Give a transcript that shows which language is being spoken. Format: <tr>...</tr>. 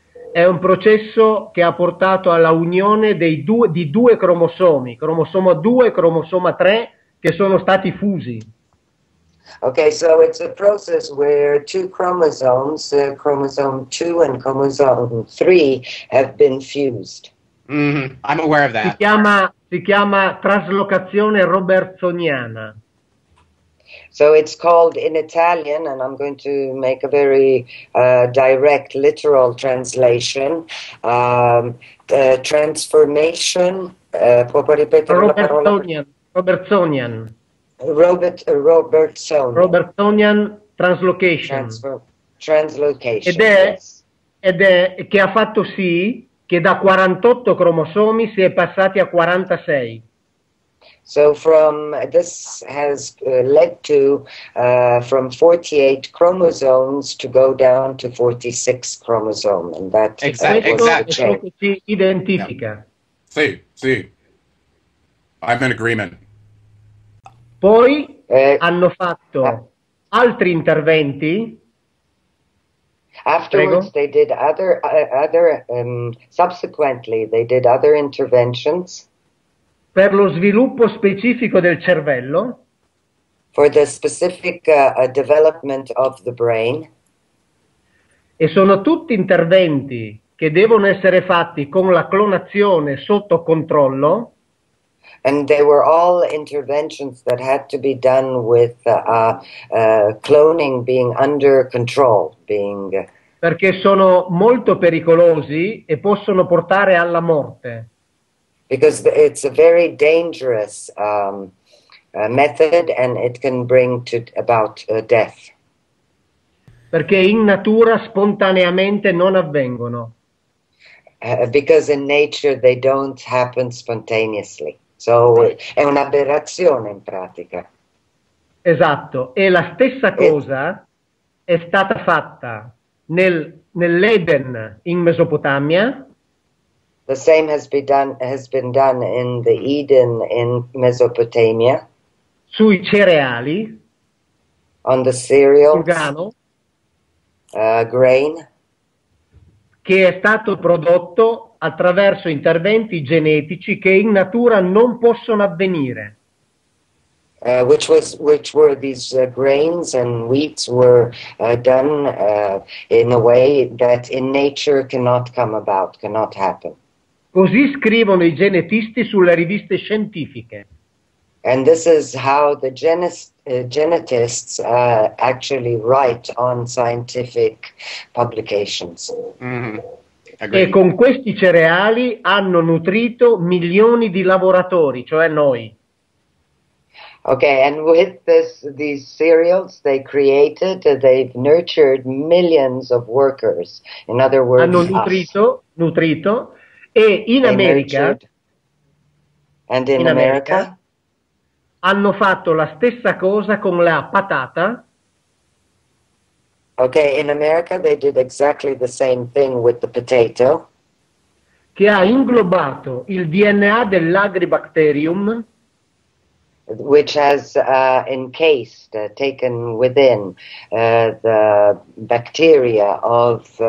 <it>È un processo che ha portato alla unione di due cromosomi, cromosoma 2 e cromosoma 3, che sono stati fusi.</it> <en>Okay, so it's a process where two chromosomes, chromosome 2 and chromosome 3, have been fused. Mm-hmm. I'm aware of that.</en> <it>Si chiama traslocazione robertsoniana.</it> <en>So it's called in Italian, and I'm going to make a very direct literal translation, the transformation,</en> <it>può ripetere la parola?</it> <en>Robertsonian. Robertsonian. Robertsonian translocation. Translocation.</en> <it>Che ha fatto sì che da 48 cromosomi si è passati a 46.</it> <en>So from 48 chromosomes to go down to 46 chromosome, and that exactly</en> <it>identifica. Sì, sì.</it> <en>I'm in agreement.</en> <it>Poi hanno fatto altri interventi.</it> <en>Afterwards,</en> <it>prego.</it> <en>They did other subsequently they did other interventions.</en> <it>Per lo sviluppo specifico del cervello.</it> <en>For the specific development of the brain.</en> <it>E sono tutti interventi che devono essere fatti con la clonazione sotto controllo.</it> <en>And they were all interventions that had to be done with cloning being under control.</en> <it>Perché sono molto pericolosi e possono portare alla morte.</it> <en>Because it's a very dangerous method and it can bring to about death.</en> <it>Perché in natura spontaneamente non avvengono.</it> <en>Because in nature they don't happen spontaneously.</en> <it>So è un'aberrazione in pratica. Esatto, e la stessa cosa è stata fatta nell'Eden in Mesopotamia.</it> <en>The same has been done in the Eden in Mesopotamia.</en> <it>Sui cereali.</it> <en>on the cereals.</en> <it>Organo.</it> <en>Grain.</en> <it>Che è stato prodotto attraverso interventi genetici che in natura non possono avvenire.</it> <en>Which were these grains and wheats were done in a way that in nature cannot come about, cannot happen.</en> <it>Così scrivono i genetisti sulle riviste scientifiche.</it> <en>And this is how the genetists actually write on scientific publications.</en> <it>Mm-hmm. E con questi cereali hanno nutrito milioni di lavoratori, cioè noi.</it> <en>Okay, and with these cereals they created, they've nurtured millions of workers. In other words,</en> <it>hanno nutrito,</it> <en>us.</en> <it>Nutrito, e in</it> <en>they America, nurtured. And in America,</en> <it>hanno fatto la stessa cosa con la patata.</it> <en>Okay, in America they did exactly the same thing with the potato.</en> <it>Che ha inglobato il DNA dell'agribacterium.</it> <en>Which has encased, taken within the bacteria of</en>